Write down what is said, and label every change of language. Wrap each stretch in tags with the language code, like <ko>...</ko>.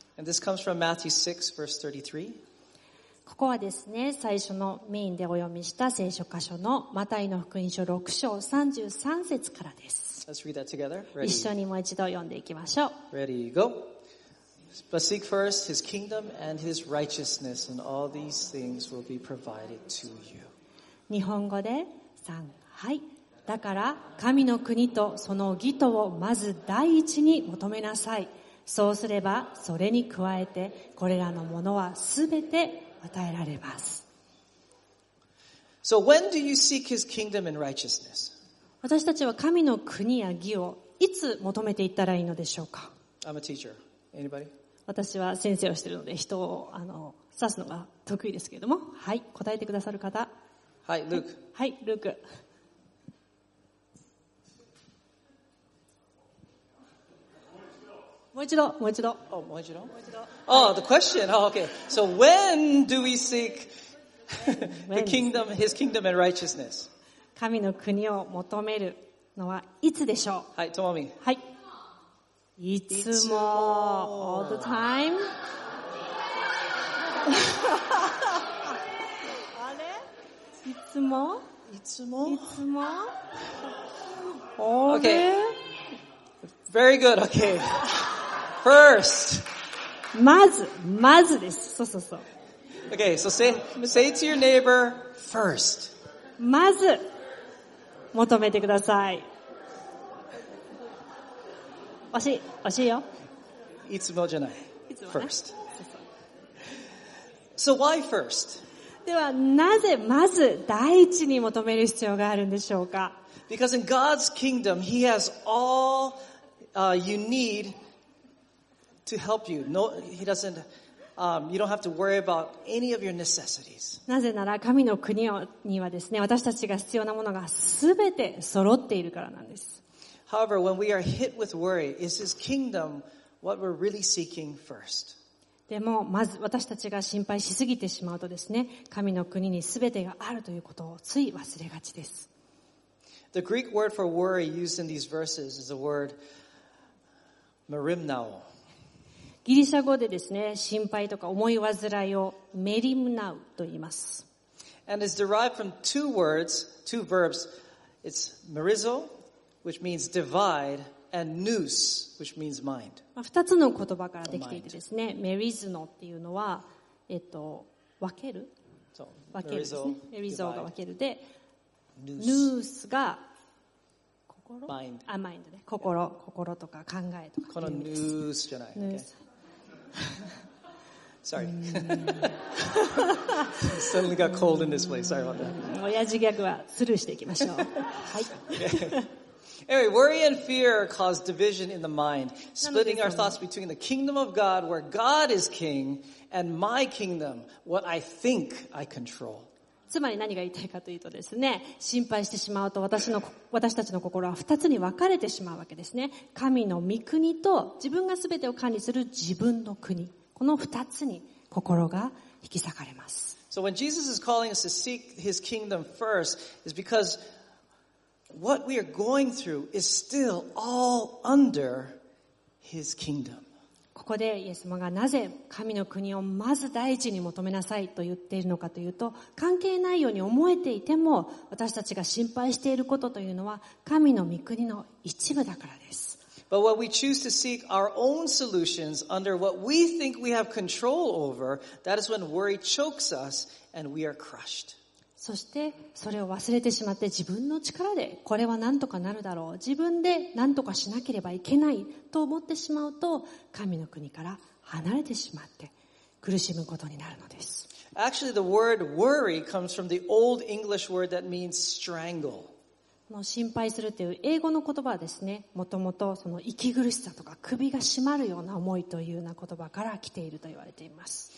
<en>And this comes from Matthew 6, verse 33.</en> <ja>ここはですね、最初のメインでお読みした聖書箇所のマタイの福音書6章33節からです。</ja> <en>Let's read that together. Ready.</en> <ja>一緒にもう一度読んでいきましょう。</ja> <en>Ready, go. But seek first his kingdom and his righteousness, and all these things will be provided to you.</en> <ja>日本語で3、はい。だから神の国とその義とをまず第一に求めなさい。そうすればそれに加えてこれらのものはすべて与えられます。</ja> <en>So when do you seek his kingdom and righteousness?</en> <ja>私たちは神の国や義をいつ求めていったらいいのでしょうか。</ja> <en>I'm a teacher. Anybody?</en> <ja>私は先生をしているので人を指すのが得意ですけれども、はい、答えてくださる方、はい、ルーク、はい、ルーク、もう一度。</ja> <en>Oh,</en> <ja>もう一度。</ja> <en>Oh, the question. Oh, okay. So when do we seek the kingdom, his kingdom and righteousness?</en> <ja>神の国を求めるのはいつでしょう。はい、ともみ。はい。いつも。</ja> <en>All the time.</en> <ja>あれ？いつも？いつも？いつも？</ja> <en>オール。Okay. Very good. Okay. First.</en> <ja>まずです。そう。 Okay, so say to your neighbor, first. まず、求めてください。惜しいよ。いつもじゃない。いつも、ね、</ja> <en>first. So why first?</en> <ja>では、なぜまず第一に求める必要があるんでしょうか?</ja> <en>Because in God's kingdom, he has all, you need. To help you. No, he doesn't, you don't have to worry about any of your necessities.</en> <ja>なぜなら神の国にはですね、私たちが必要なものがすべて揃っているからなんです。</ja> <en>However, when we are hit with worry, is his kingdom what we're really seeking first?</en> <ja>でも、まず私たちが心配しすぎてしまうとですね、神の国にすべてがあるということをつい忘れがちです。</ja> <en>The Greek word for worry used in these verses is the word merimnao.</en> <ja>ギリシャ語でですね、心配とか思い患いをメリムナウと言います。</ja> <en>And it's derived from two words, two verbs. It's merizo, which means divide, and nous, which means mind.</en> <ja>二つの言葉からできていてですね、メリズノっていうのは、分ける。そう、分けるですね。メリゾが分けるで、nous が心。</ja> <en>Mind.</en> <ja>あ、mind ね。心、yeah. 心とか考えとか。この nous じゃない。</ja> <en>Okay. Sorry. Suddenly got cold in this place. Sorry about that.</en> <ja>親父ギャグはスルーしていきましょう。はい。</ja> <en>Anyway, worry and fear cause division in the mind, splitting our thoughts between the kingdom of God, where God is king, and my kingdom, what I think I control.</en> <ja>つまり何が言いたいかというとですね、心配してしまうと私たちの心は二つに分かれてしまうわけですね。神の御国と自分が全てを管理する自分の国、この二つに心が引き裂かれます。</ja> <en>So when Jesus is calling us to seek his kingdom first, is because what we are going through is still all under his kingdom.</en> <ja>ここでイエス様がなぜ神の国をまず第一に求めなさいと言っているのかというと、関係ないように思えていても私たちが心配していることというのは神の御国の一部だからです。</ja> <en>But when we choose to seek our own solutions under what we think we have control over, that is when worry chokes us and we are crushed.</en> <ja>そしてそれを忘れてしまって、自分の力でこれは何とかなるだろう、自分で何とかしなければいけないと思ってしまうと、神の国から離れてしまって苦しむことになるのです。</ja> <en>Actually, the word worry comes from the old English word that means strangle.</en> <ja>この心配するという英語の言葉はですね、もともとその息苦しさとか首が締まるような思いというような言葉から来ていると言われています。</ja>